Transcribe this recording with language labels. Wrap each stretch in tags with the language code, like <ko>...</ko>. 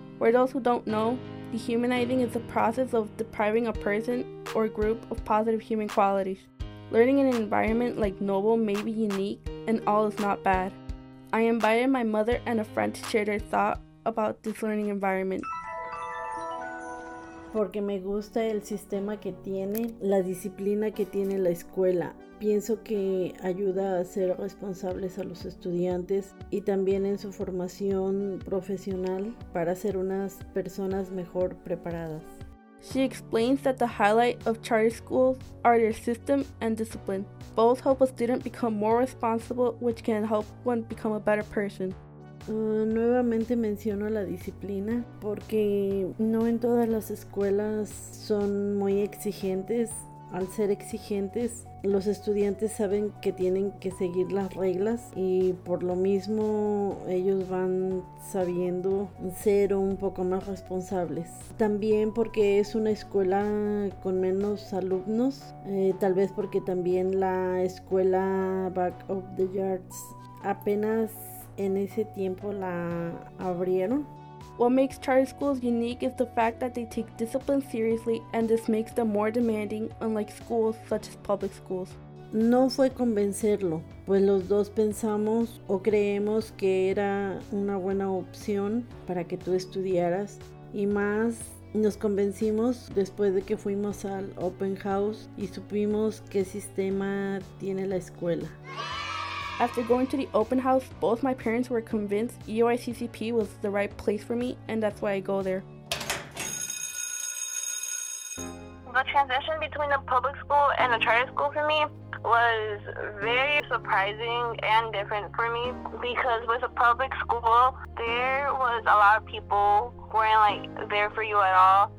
<en>For those who don't know, dehumanizing is the process of depriving a person or group of positive human qualities. Learning in an environment like Noble may be unique, and all is not bad. I invited my mother and a friend to share their thought about this learning environment.</en> <es>porque me gusta el sistema que tiene, la disciplina que tiene la escuela. Pienso que ayuda a ser responsables a los estudiantes y también en su formación profesional para ser unas personas mejor preparadas.</es> <en>She explains that the highlight of charter schools are their system and discipline. Both help a student become more responsible, which can help one become a better person.</en> <es>Nuevamente menciono la disciplina porque no en todas las escuelas son muy exigentes. Al ser exigentes, los estudiantes saben que tienen que seguir las reglas y por lo mismo ellos van sabiendo ser un poco más responsables. También porque es una escuela con menos alumnos, tal vez porque también la escuela Back of the Yards apenas en ese tiempo la abrieron.</es> <en>What makes charter schools unique is the fact that they take discipline seriously, and this makes them more demanding, unlike schools such as public schools.</en> <es>No fue convencerlo, pues los dos pensamos o creemos que era una buena opción para que tú estudiaras, y más nos convencimos después de que fuimos al open house y supimos qué sistema tiene la escuela.</es> <en>After going to the open house, both my parents were convinced EOICCP was the right place for me, and that's why I go there. The transition between a public school and a charter school for me was very surprising and different for me, because with a public school, there was a lot of people who weren't like there for you at all.</en>